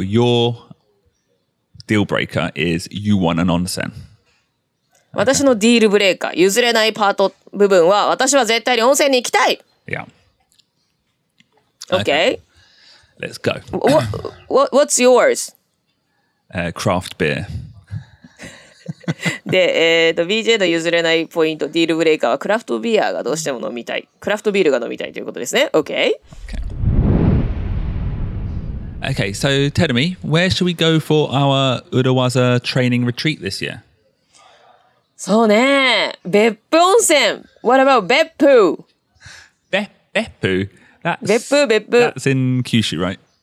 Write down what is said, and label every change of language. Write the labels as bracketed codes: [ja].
[en] Your deal breaker is you want an onsen. [ja] 私のディールブレーカー、譲れないパート部分は、私は絶対に温泉に行きたい。 [en] Yeah. Okay. Let's go. What's yours? Craft beer. [ja] で、BJ の譲れないポイント、ディールブレーカーはクラフトビアがどうしても飲みたい。クラフトビールが飲みたいということですね。 [en] Okay. Okay. Okay, so tell me, where should we go for our Urawaza training retreat this year? [ja] そうね、別府温泉。 [en] What about [ja] 別府? 別府? 別府、別府。 [en] That's in Kyushu, right?